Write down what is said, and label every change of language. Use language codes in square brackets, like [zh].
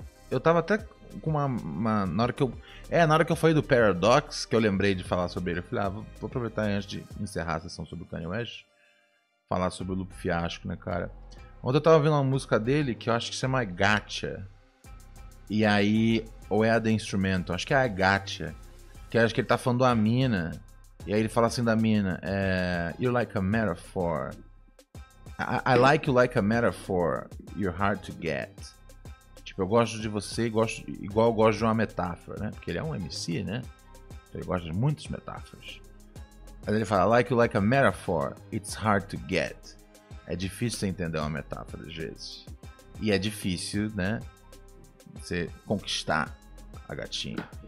[pt] Eu tava até com uma. Na hora que eu falei do Paradox, que eu lembrei de falar sobre ele. Eu falei, ah, vou aproveitar antes de encerrar a sessão sobre o Kanye West. Falar sobre o Loop Fiasco, né, cara? Ontem eu tava ouvindo uma música dele que eu acho que chama Gacha. E aí. Ou é a The Instrumental? Acho que é a Gacha. Que acho que ele tá falando da mina. E aí ele fala assim da mina. [en] You're like a metaphor. I like you like a metaphor. You're hard to get. [pt] Tipo, eu gosto de você gosto, igual eu gosto de uma metáfora, né? Porque ele é um MC, né? Então ele gosta de muitas metáforas. Aí ele fala, [en] I like you like a metaphor. It's hard to get. [pt] É difícil você entender uma metáfora, às vezes. E é difícil, né? Você conquistar a gatinha.